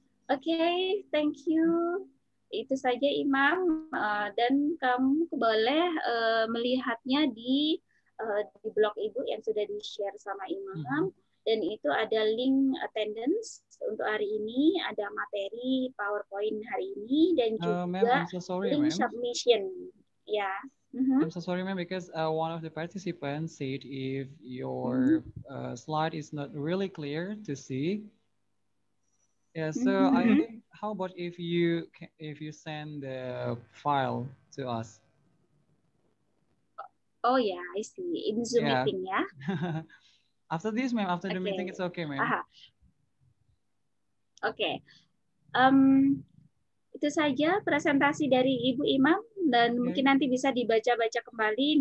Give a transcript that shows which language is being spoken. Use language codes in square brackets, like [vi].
[id] Okay, thank you. Itu saja Imam, dan kamu boleh melihatnya di blog Ibu yang sudah di-share sama Imam. Dan itu ada link attendance untuk hari ini, ada materi PowerPoint hari ini, dan juga [en] I'm so sorry, link ma'am. Submission. Yeah. I'm so sorry, ma'am, because one of the participants said if your slide is not really clear to see. Yeah, so I think, how about if you send the file to us? Oh yeah, I see. In Zoom meeting, yeah. After this, ma'am, after the meeting, it's okay, ma'am. Okay. [id] Itu saja presentasi dari Ibu Imam, dan mungkin nanti bisa dibaca-baca kembali.